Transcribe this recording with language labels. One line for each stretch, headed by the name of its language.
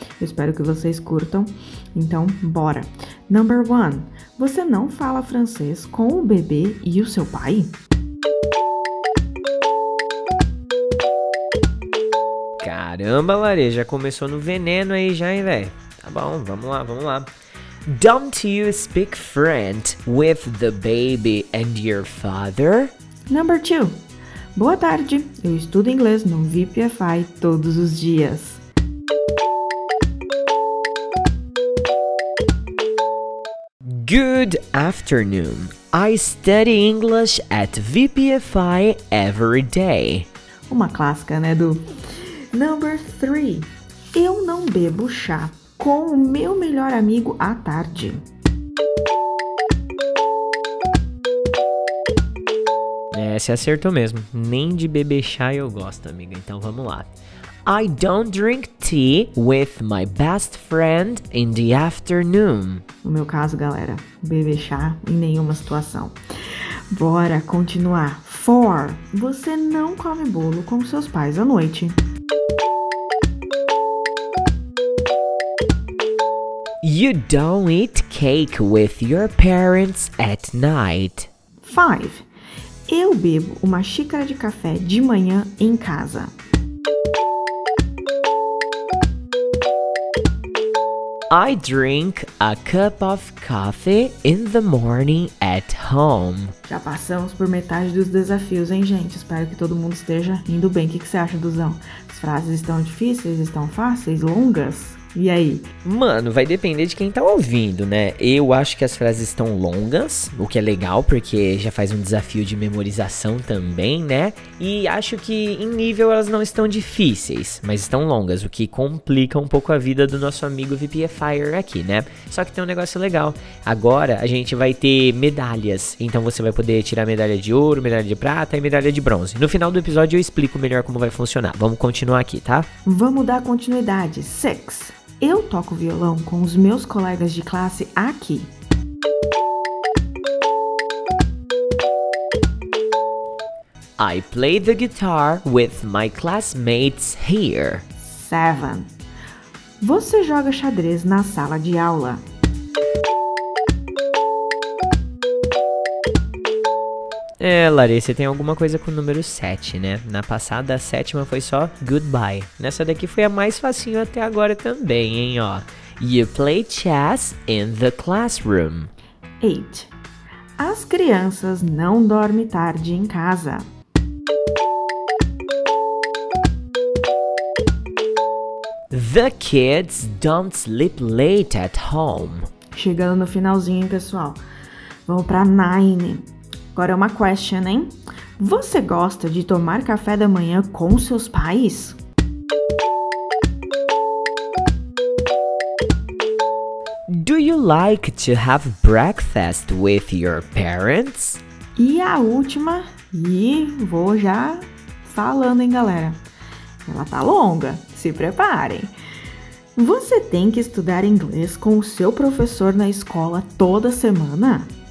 Portuguese: Eu espero que vocês curtam. Então, bora.
English: Number 1.
Portuguese: Você não fala francês com o bebê e o seu pai? Caramba, Lari, já começou no veneno aí já, hein, véi? Tá bom, vamos lá, vamos lá.
English: Don't you speak French with the baby and your father? Number 2.
Portuguese: Boa tarde, eu estudo inglês no VPFI todos os dias.
English: Good afternoon. I study English at VPFI every day.
Portuguese: Uma clássica, né, do...
English: Number 3.
Portuguese: Eu não bebo chá com o meu melhor amigo à tarde. É, você acertou mesmo. Nem de beber chá eu gosto, amiga. Então vamos lá.
English: I don't drink tea with my best friend in the afternoon.
Portuguese: No meu caso, galera, beber chá em nenhuma situação. Bora continuar. 4. Você não come bolo com seus pais à noite.
English: You don't eat cake with your parents at night. 5.
Portuguese: Eu bebo uma xícara de café de manhã em casa.
English: I drink a cup of coffee in the morning at home.
Portuguese: Já passamos por metade dos desafios, hein, gente? Espero que todo mundo esteja indo bem. O que você acha, Duzão? As frases estão difíceis, estão fáceis, longas? E aí? Mano, vai depender de quem tá ouvindo, né? Eu acho que as frases estão longas, o que é legal, porque já faz um desafio de memorização também, né? E acho que em nível elas não estão difíceis, mas estão longas, o que complica um pouco a vida do nosso amigo VPFIer aqui, né? Só que tem um negócio legal. Agora a gente vai ter medalhas, então você vai poder tirar medalha de ouro, medalha de prata e medalha de bronze. No final do episódio eu explico melhor como vai funcionar. Vamos continuar aqui, tá? Vamos dar continuidade. 6. Eu toco violão com os meus colegas de classe aqui.
English: I play the guitar with my classmates here.
Portuguese: 7. Você joga xadrez na sala de aula. É, Larissa, tem alguma coisa com o número 7, né? Na passada, a sétima foi só goodbye. Nessa daqui foi a mais facinho até agora também, hein, ó.
English: You play chess in the classroom.
Portuguese: 8. As crianças não dormem tarde em casa.
English: The kids don't sleep late at home.
Portuguese: Chegando no finalzinho, pessoal. Vamos pra 9. Agora é uma question, hein? Você gosta de tomar café da manhã com seus pais?
English: Do you like to have breakfast with your parents?
Portuguese: E a última, e vou já falando, hein, galera? Ela tá longa, se preparem. Você tem que estudar inglês com o seu professor na escola toda semana?